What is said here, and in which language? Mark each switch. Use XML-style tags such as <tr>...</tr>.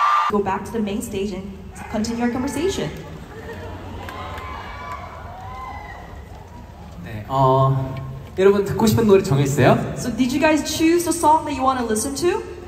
<en>go back to the main stage and continue our conversation.</en> <ko>네, 여러분 듣고 싶은 노래 정했어요?</ko> <en>So did you guys choose the song that you want to listen to?</en>